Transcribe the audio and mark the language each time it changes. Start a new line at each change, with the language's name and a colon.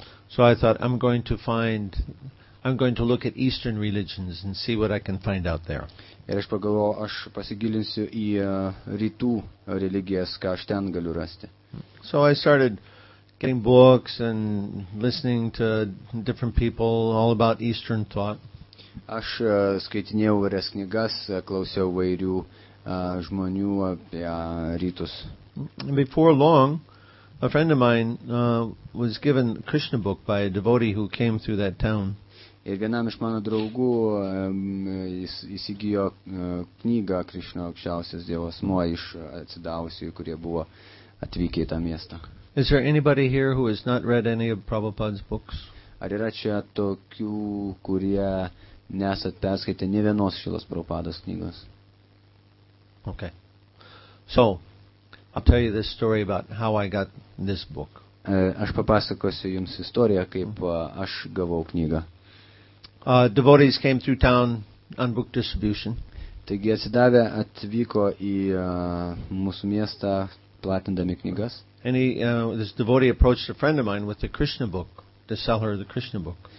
English: So I thought I'm going to look at Eastern religions and see what I can find out there.
Lithuanian: Ir aš pagalvojau, aš pasigilinsiu į rytų religijas, ką aš ten galiu rasti.
English: So I started getting books and listening to different people all about Eastern thought.
Lithuanian: Aš skaitinėjau vairias knygas, klausiau vairių žmonių apie rytus.
English: Before long, a friend of mine was given a Krishna book by a devotee who came through that town.
Lithuanian: Ir vienam iš mano draugų įsigijo knygą Krishna aukščiausias dievas moj iš atsidavusių, kurie buvo atvykę į tą miestą.
English: Is there anybody here who has not read any of Prabhupada's books?
Lithuanian: Ar yra čia tokių, kurie nesat perskaitę ne vienos Šilos Prabhupados knygos?
English: Okay. So, I'll tell you this story about how I got this book.
Lithuanian: Aš papasakosiu jums istoriją, kaip aš gavau knygą.
English: Devotees came through town on book distribution.
Lithuanian: Taigi atsidavę atvyko į mūsų miestą platindami knygas.
English: And this devotee approached a friend of mine with the Krishna book to sell her the Krishna book.